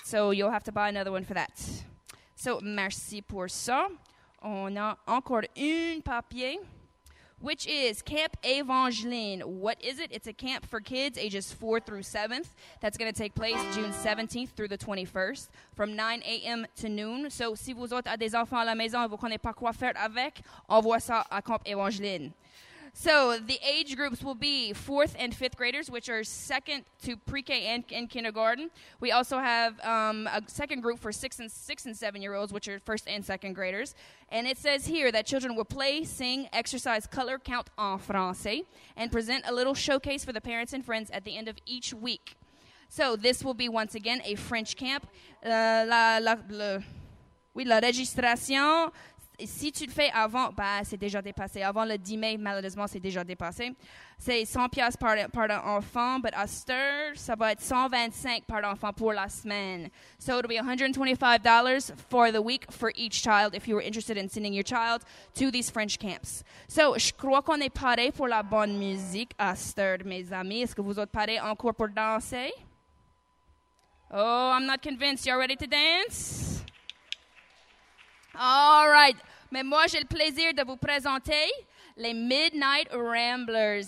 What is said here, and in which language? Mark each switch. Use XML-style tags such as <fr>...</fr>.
<en>So you'll have to buy another one for that. So,</en> <fr>merci pour ça. On a encore un papier,</fr> <en>which is Camp Evangeline. What is it? It's a camp for kids ages 4 through 7th. That's going to take place June 17th through the 21st from 9 a.m. to noon.</en> <fr>So, si vous autres avez des enfants à la maison et vous ne connaissez pas quoi faire avec, envoie ça à Camp Evangeline.</fr> <en>So the age groups will be 4th and 5th graders, which are 2nd to pre-K and kindergarten. We also have a second group for 6 and 7-year-olds, which are 1st and 2nd graders. And it says here that children will play, sing, exercise, color, count</en> <fr>en français,</fr> <en>and present a little showcase for the parents and friends at the end of each week. So this will be, once again, a French camp.</en> <fr>La registration... Si tu le fais avant, bah, c'est déjà dépassé. Avant le 10 mai, malheureusement, c'est déjà dépassé. C'est 100$ par enfant, but à Stir, ça va être 125$ par enfant pour la semaine.</fr> <en>So it'll be $125 for the week for each child if you were interested in sending your child to these French camps.</en> <fr>So je crois qu'on est paré pour la bonne musique à Stir, mes amis. Est-ce que vous êtes paré encore pour danser?</fr> <en>Oh, I'm not convinced. Y'all ready to dance? All right,</en> <fr>mais moi j'ai le plaisir de vous présenter les Midnight Ramblers.</fr>